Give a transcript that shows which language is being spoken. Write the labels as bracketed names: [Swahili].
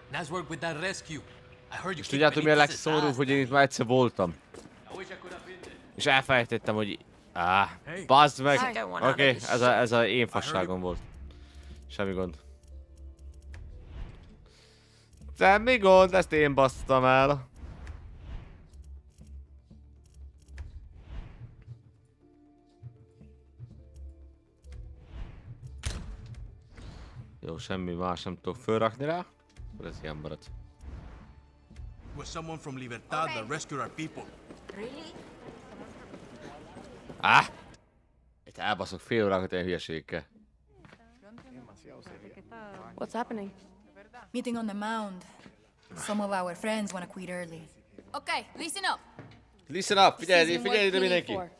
[English] Work with that rescue. I heard you. [Hungarian] És tudjátok, mi a legszomorúbb, hogy én itt már egyszer voltam. És elfelejtettem, hogy... Bazd meg! Oké, ez a én fasságom volt. Semmi gond. Semmi gond, ezt én basztam el. Jó, semmi más nem tudok fölrakni rá. Ez ilyen maradt. [English] Was someone from Libertad that rescued our people? Ah! [Hungarian] Itt elbaszok fél órákat ilyen hülyeségekkel. [English] What's happening? Meeting on the mound. Some of our friends wanna quit early. Okay, listen up. Listen up, [Hungarian] figyelj, figyelj ide mindenki.